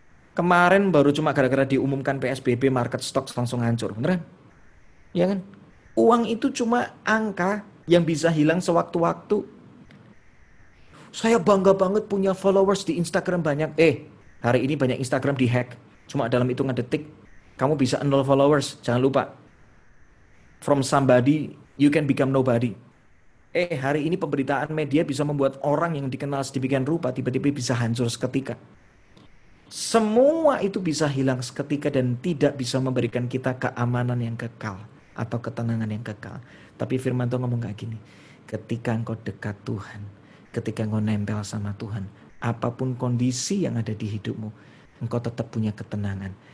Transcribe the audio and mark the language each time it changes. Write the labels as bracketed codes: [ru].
[id] Kemarin baru cuma gara-gara diumumkan PSBB, market stocks langsung hancur, beneran? Ya kan? Uang itu cuma angka yang bisa hilang sewaktu-waktu. Saya bangga banget punya followers di Instagram banyak. Hari ini banyak Instagram dihack. Cuma dalam hitungan detik, kamu bisa nol followers. Jangan lupa. [en] From somebody, you can become nobody. [id] Hari ini pemberitaan media bisa membuat orang yang dikenal sedemikian rupa tiba-tiba bisa hancur seketika. Semua itu bisa hilang seketika dan tidak bisa memberikan kita keamanan yang kekal atau ketenangan yang kekal. Tapi firman Tuhan ngomong kayak gini, ketika engkau dekat Tuhan, ketika engkau nempel sama Tuhan, apapun kondisi yang ada di hidupmu, engkau tetap punya ketenangan.